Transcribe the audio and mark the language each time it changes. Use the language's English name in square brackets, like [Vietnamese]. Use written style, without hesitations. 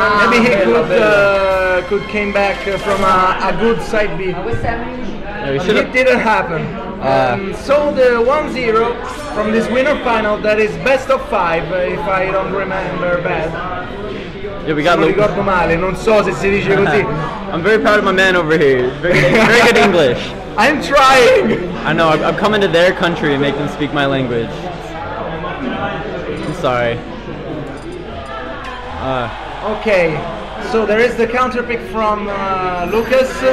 [English] Maybe he could came back from a good side B. It didn't happen. So the 1-0 from this winner final, that is best of five, if I don't remember bad. Yeah, we got [Italian] ricordo male, non so se si dice così. [English] I'm very proud of my man over here. Very good English. I'm trying. I know, I'm coming to their country and make them speak my language. I'm sorry. Okay, so there is the counter pick from Lucas.